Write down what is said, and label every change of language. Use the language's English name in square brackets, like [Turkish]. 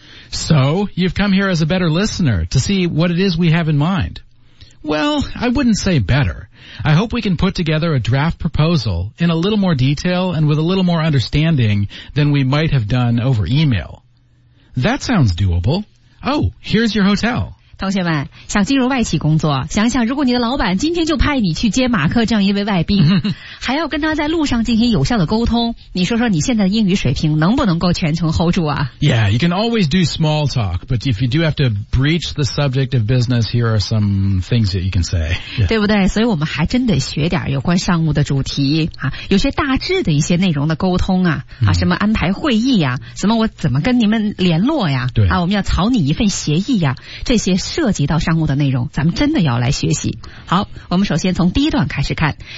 [English] So, you've come here as a better listener to see what it is we have in mind. Well, I wouldn't say better. I hope we can put together a draft proposal in a little more detail and with a little more understanding than we might have done over email. That sounds doable. Oh, here's your hotel. [Chinese] 同学们，想进入外企工作，想想如果你的老板今天就派你去接马克这样一位外宾，还要跟他在路上进行有效的沟通，你说说你现在的英语水平能不能够全程 hold 住啊？ [English] Yeah, you can always do small talk, but if you do have to breach the subject of business, here are some things that you can say.、Yeah. [Chinese] 对不对？所以我们还真得学点有关商务的主题啊，有些大致的一些内容的沟通啊，啊，什么安排会议呀、啊，什么我怎么跟你们联络呀、啊？对啊，我们要草拟一份协议呀、啊，这些。涉及到商务的内容，咱们真的要来学习。好，我们首先从第一段开始看。